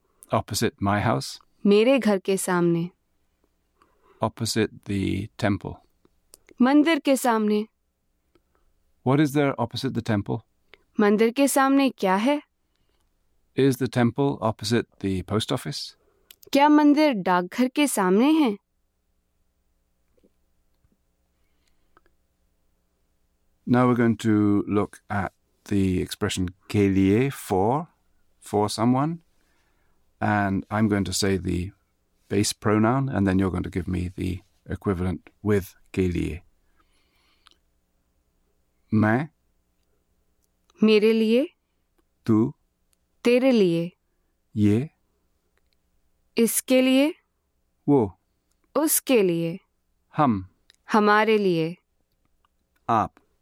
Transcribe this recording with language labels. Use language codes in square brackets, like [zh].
[en] Opposite my house? [hi] Mere ghar ke samne. [en] Opposite the temple? [hi] Mandir ke samne. [en] What is there opposite the temple? [hi] Mandir ke samne kya hai? [en] Is the temple opposite the post office? [hi] क्या मंदिर डाकघर के सामने है? [en] Now we're going to look at the expression के लिए, for someone. And I'm going to say the base pronoun, and then you're going to give me the equivalent with के लिए. [hi] मैं, मेरे लिए, तू, तेरे लिए, ये, इसके लिए, वो, उसके लिए, हम, हमारे लिए, आप,